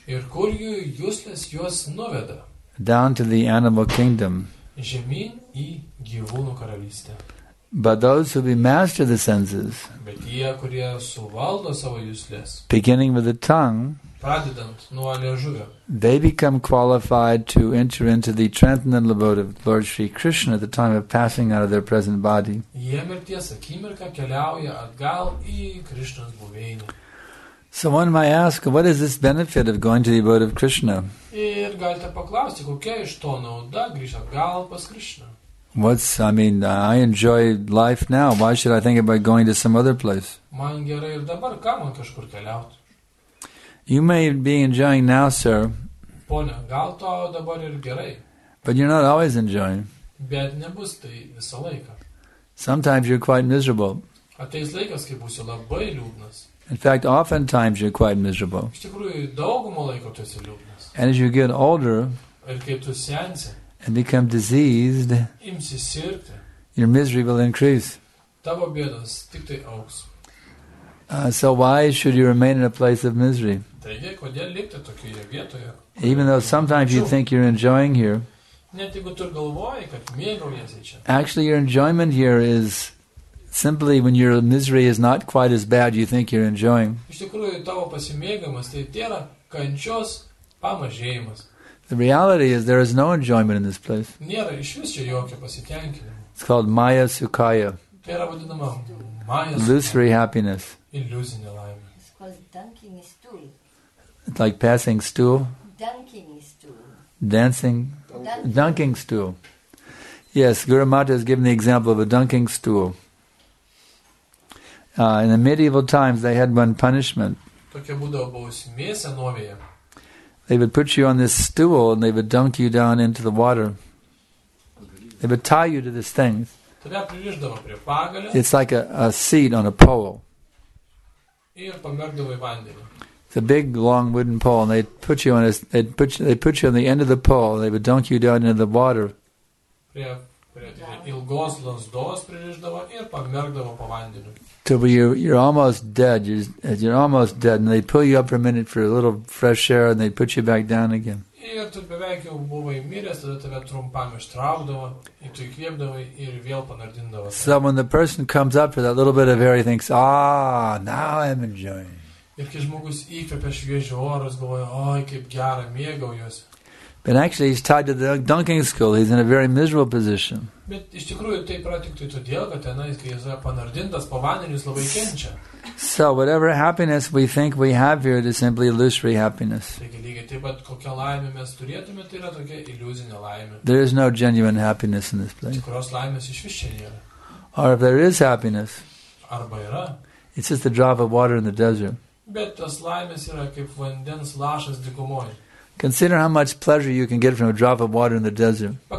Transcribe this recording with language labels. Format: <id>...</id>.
<lt>Ir kur jų juslės juos nuveda?</lt> <en>Down to the animal kingdom.</en> <lt>Žemyn į gyvūnų karalystę.</lt> <en>But those who be master the senses,</en> <lt>bet tie, kurie suvaldo savo juslės,</lt> <en>beginning with the tongue,</en> <lt>pradedant nuo liežuvio,</lt> <en>they become qualified to enter into the transcendental abode of Lord Sri Krishna at the time of passing out of their present body.</en> <lt>Jie mirties akimirką keliauja atgal į Krishnos buveinę.</lt> <en>So one might ask, what is this benefit of going to the abode of Krishna?</en> <lt>Ir galite paklausti, kokia iš to nauda grįžti atgal pas Krishna?</lt> <en>I enjoy life now. Why should I think about going to some other place?</en> <lt>Man gerai ir dabar, ką man kažkur keliauti?</lt> <en>You may be enjoying now, sir.</en> <lt>Pone, gal to dabar ir gerai.</lt> <en>But you're not always enjoying.</en> <lt>Bet nebus tai visą laiką.</lt> <en>Sometimes you're quite miserable.</en> <lt>Ateis laikas, kai būsi labai liūdnas.</lt> <en>In fact, oftentimes you're quite miserable.</en> <lt>Iš tikrųjų, daugumą laiko tu esi liūdnas.</lt> <en>And as you get older,</en> <lt>ir kaip tu sensi,</lt> <en>and become diseased,</en> <lt>imsi sirgti,</lt> <en>your misery will increase.</en> <lt>Tavo bėdos tik tai augs.</lt> <en>So why should you remain in a place of misery?</en> <lt>Taigi, kodėl likti tokioje vietoje?</lt> <en>Even though sometimes you think you're enjoying here,</en> <lt>net jeigu tu galvoji, kad mėgaujiesi čia,</lt> <en>actually your enjoyment here is simply when your misery is not quite as bad you think you're enjoying.</en> <lt>Iš tikrųjų, tavo pasimėgimas tai tėra kančios pamažėjimas.</lt> <en>The reality is there is no enjoyment in this place.</en> <lt>Nėra iš vis čia jokio pasitenkinimo.</lt> <en>It's called Maya Sukaya.</en> <lt>Tai yra vadinama Maya</lt> <en>Illusory happiness.</en> <lt>Illusinė laimė.</lt> <en>It's called dunking stool. It's like passing stool. Dunking stool. Dancing. Dunking stool. Yes, Guru Mata has given the example of a dunking stool. In the medieval times, they had one punishment.</en> <lt>Tokia būdavo bausmė senovėje.</lt> <en>They would put you on this stool and they would dunk you down into the water. They would tie you to this thing.</en> <lt>Tave pririšdavo prie pagalio.</lt> <en>It's like a seat on a pole.</en> <lt>Ir pamerkdavo į vandenį.</lt> <en>It's a big, long wooden pole, and they put you on the end of the pole, and they would dunk you down into the water.</en> <lt>Prie ilgos lazdos pririšdavo ir pamerkdavo po vandeniu.</lt> <en>Till you're almost dead, you're almost dead, and they pull you up for a minute for a little fresh air, and they put you back down again.</en> <lt>Ir tu beveik jau buvai miręs, tada tave trumpam ištraukdavo, ir tu įkvėpdavai ir vėl panardindavo.</lt> <en>So when the person comes up for that little bit of air, he thinks, ah, now I'm enjoying.</en> <lt>Ir kai žmogus įkvėpė šviežio oro, galvoja, oi, kaip gerai mėgaujuosi.</lt> <en>But actually, he's tied to the dunking school. He's in a very miserable position.</en> <lt>Bet iš tikrųjų tai yra tik tai todėl, kad tenais, kai jis yra panardintas po vandeniu, jis labai kenčia.</lt> <en>So whatever happiness we think we have here is simply illusory happiness.</en> <lt>Taigi lygiai taip pat kokią laimę mes turėtume, tai yra tokia iliuzinė laimė.</lt> <en>There is no genuine happiness in this place.</en> <lt>Tikros laimės iš vis čia nėra.</lt> <en>Or if there is happiness.</en> <lt>Arba yra.</lt> <en>It's just a drop of water in the desert.</en> <lt>Bet tas laimės yra kaip vandens lašas dykumoje.</lt> <en>Consider how much pleasure you can get from a drop of water in the desert.</en>